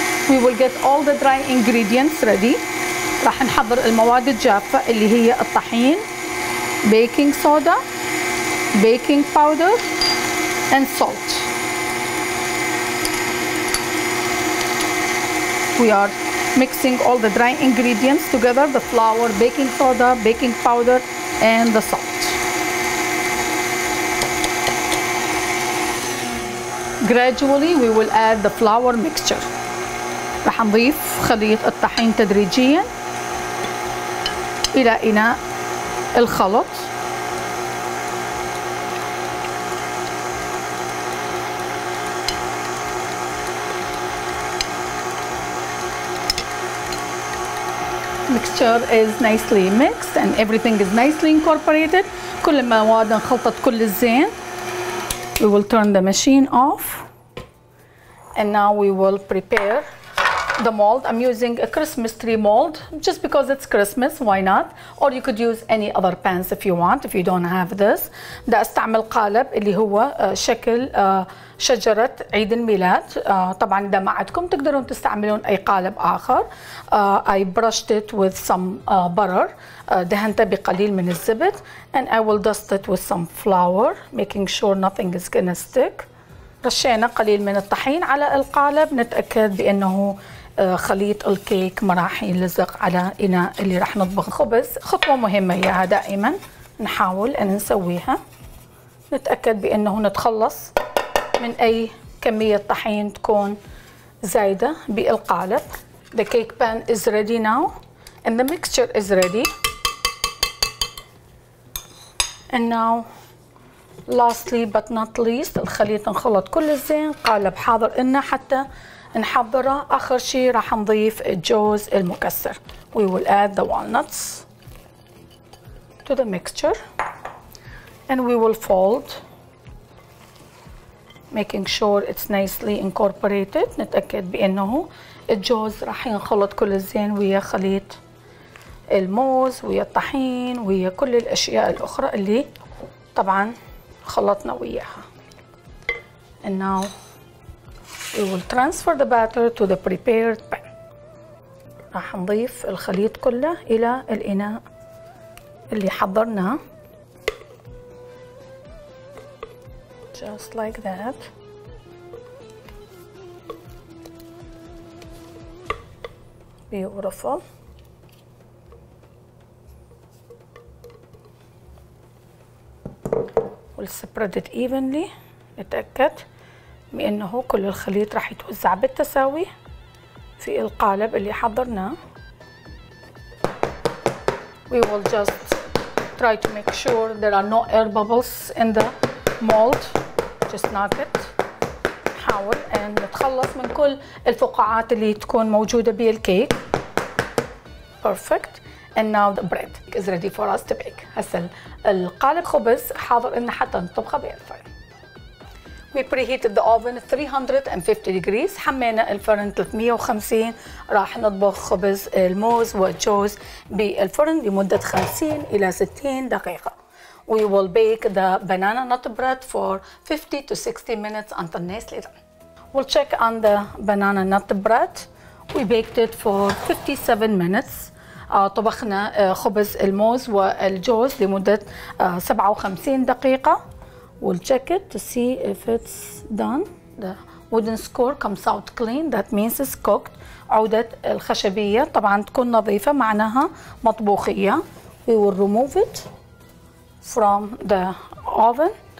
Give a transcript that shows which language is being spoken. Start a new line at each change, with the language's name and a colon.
English: We will get all the dry ingredients ready.
Arabic: راح نحضر المواد الجافة اللي هي الطحين,
English: baking soda, baking powder and salt. We are mixing all the dry ingredients together, the flour, baking soda, baking powder and the salt. Gradually we will add the flour mixture.
Arabic: راح نضيف خليط الطحين تدريجيا الى اناء الخلط.
English: Mixture is nicely mixed and everything is nicely incorporated.
Arabic: كل المواد انخلطت كل الزين.
English: We will turn the machine off and now we will prepare the mold. I'm using a Christmas tree mold just because it's Christmas, why not? Or you could use any other pans if you want, if you don't have this.
Arabic: ده استعمل قالب اللي هو شكل شجرة عيد الميلاد. طبعا ده ما عندكم تقدرون تستعملون اي قالب اخر.
English: I brushed it with some butter.
Arabic: دهنته بقليل من الزبد.
English: And I will dust it with some flour, making sure nothing is gonna stick.
Arabic: رشينا قليل من الطحين على القالب, نتأكد بأنه خليط الكيك ما راح يلزق على إناء اللي راح نطبخ خبز. خطوة مهمة إياها دائما نحاول أن نسويها, نتأكد بأنه نتخلص من أي كمية طحين تكون زايدة بالقالب.
English: The cake pan is ready now and the mixture is ready. And now lastly but not least,
Arabic: الخليط انخلط كل الزين, قالب حاضر لنا حتى نحضره. آخر شيء راح نضيف الجوز المكسر.
English: We will add the walnuts to the mixture and we will fold, making sure it's nicely incorporated.
Arabic: نتأكد بأنه الجوز راح ينخلط كل الزين ويا خليط الموز ويا الطحين ويا كل الأشياء الأخرى اللي طبعاً خلطنا وياها.
English: And now we will transfer the batter to the prepared pan.
Arabic: راح نضيف الخليط كله إلى الإناء اللي حضرناه.
English: Just like that. Beautiful. We'll spread it evenly.
Arabic: نتأكد بأنه كل الخليط راح يتوزع بالتساوي في القالب اللي حضرناه.
English: We will just try to make sure there are no air bubbles in the mold. Just knock it.
Arabic: نحاول أن نتخلص من كل الفقاعات اللي تكون موجودة بالكيك.
English: Perfect. And now the bread is ready for us to bake.
Arabic: هسه القالب خبز حاضر لنا حتى نطبخه بالفرن.
English: We preheated the oven at 350 degrees.
Arabic: حمينا الفرن 350. راح نطبخ خبز الموز والجوز بالفرن لمدة 50 إلى 60 دقيقة.
English: We will bake the banana nut bread for 50 to 60 minutes until nicely done. We'll check on the banana nut bread. We baked it for 57 minutes.
Arabic: طبخنا خبز الموز والجوز لمدة 57 دقيقة.
English: We'll check it to see if it's done. The wooden score comes out clean. That means it's cooked.
Arabic: عودة الخشبية طبعا تكون نظيفة, معناها مطبوخية.
English: We will remove it from the oven.